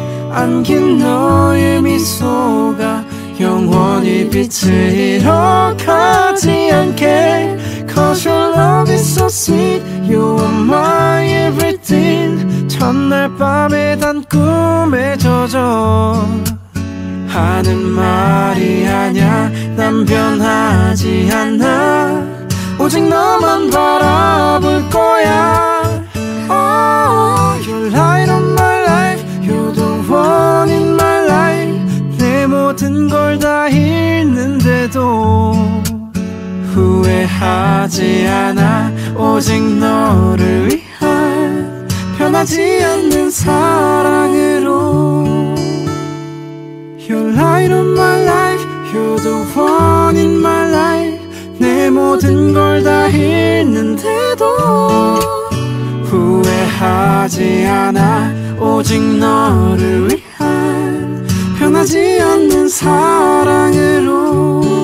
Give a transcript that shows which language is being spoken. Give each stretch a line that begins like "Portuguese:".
Korean: 안긴 너의 미소가 영원히 빛을 잃어가지 않게.
English: 'Cause your love is so sweet, you are my everything.
Korean: 첫날 밤에 단 꿈에 젖어 하는 말이 아냐. 난 변하지 않아, 오직 너만 바라볼 거야.
English: Oh, your light on my life, you're the one in my life.
Korean: 내 모든 걸 다 잃는데도 후회하지 않아. 오직 너를 위해 변하지 않는 사랑으로.
English: Your light on my life, you're the one in my life.
Korean: 내 모든 걸 다 잃는데도 후회하지 않아. 오직 너를 위한 변하지 않는 사랑으로.